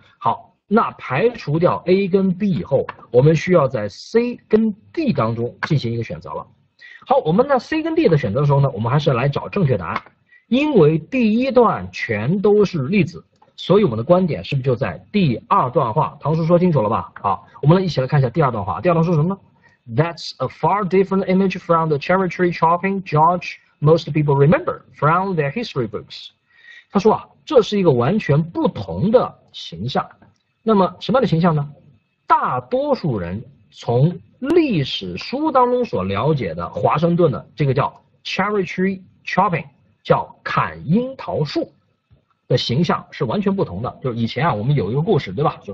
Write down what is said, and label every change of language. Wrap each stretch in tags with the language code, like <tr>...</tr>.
<zh>好，那排除掉 A 跟 B 以后，我们需要在 C 跟 D 当中进行一个选择了。好，我们呢 C 跟 D 的选择的时候呢，我们还是来找正确答案，因为第一段全都是粒子，所以我们的观点是不是就在第二段话？唐叔说清楚了吧？好，我们来一起来看一下第二段话。第二段说什么呢？</zh> <en>That's a far different image from the cherry tree chopping George most people remember from their history books。</en> <zh>他说啊，这是一个完全不同的形象。那么什么样的形象呢？大多数人从历史书当中所了解的华盛顿的这个叫 cherry tree chopping，叫砍樱桃树的形象是完全不同的。就是以前啊，我们有一个故事，对吧？</zh>